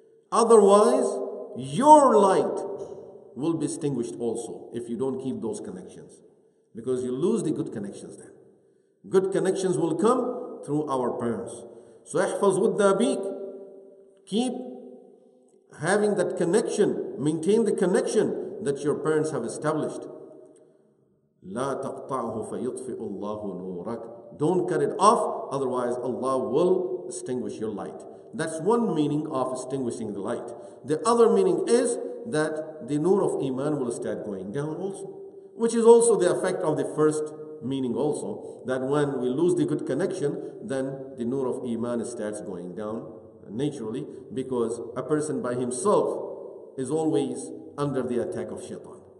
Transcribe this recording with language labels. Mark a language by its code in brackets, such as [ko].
[en] Otherwise, your light will be extinguished also if you don't keep those connections. Because you lose the good connections then. Good connections will come through our parents. So, [ar] احفظ ود أبيك. [en] Keep having that connection. Maintain the connection that your parents have established. [ar] لا تقطعه فيطفئ الله نورك. [en] Don't cut it off, otherwise Allah will extinguish your light. That's one meaning of extinguishing the light. The other meaning is that the nur of iman will start going down also, which is also the effect of the first meaning also that when we lose the good connection, then the nur of iman starts going down naturally, because a person by himself is always under the attack of shaitan.